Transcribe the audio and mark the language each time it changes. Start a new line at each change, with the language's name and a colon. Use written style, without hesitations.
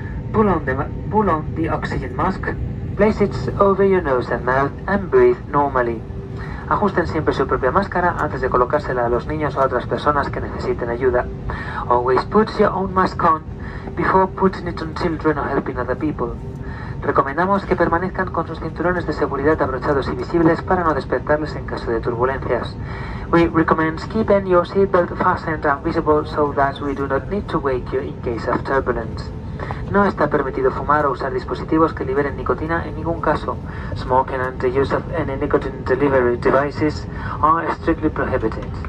English: Pull on the oxygen mask, place it over your nose and mouth, and breathe normally.
Spanish: Ajusten siempre su propia máscara antes de colocársela a los niños o a otras personas que necesiten ayuda.
English: Always put your own mask on before putting it on children or helping other people.
Spanish: Recomendamos que permanezcan con sus cinturones de seguridad abrochados y visibles para no despertarles en caso de turbulencias.
English: We recommend keeping your seatbelt fastened and visible so that we do not need to wake you in case of turbulence.
Spanish: No está permitido fumar o usar dispositivos que liberen nicotina en ningún caso.
English: Smoking and the use of any nicotine delivery devices are strictly prohibited.